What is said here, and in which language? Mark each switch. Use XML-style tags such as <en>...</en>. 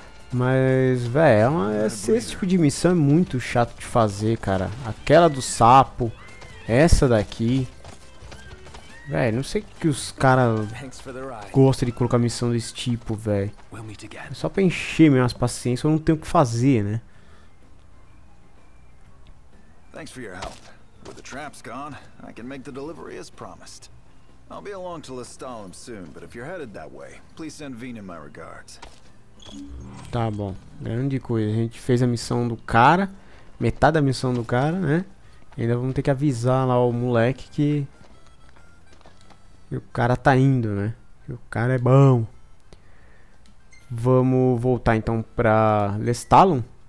<pt>Mas, velho, esse tipo de missão é muito chato de fazer, cara. Aquela do sapo, essa daqui. Véi, não sei que os caras gostam de colocar missão desse tipo, véi. Só pra encher minhas paciências, eu não tenho o que fazer, né?</pt> <en>Thanks for your help. With the traps gone, I can make the delivery as promised. I'll be along to Lestalem soon, but if you're headed that way, please send Vina my regards.</en> <pt>Tá bom. Grande coisa. A gente fez a missão do cara. Metade da missão do cara, né? E ainda vamos ter que avisar lá o moleque que... E o cara tá indo, né? E o cara é bom. Vamos voltar então pra Lestalem.</pt>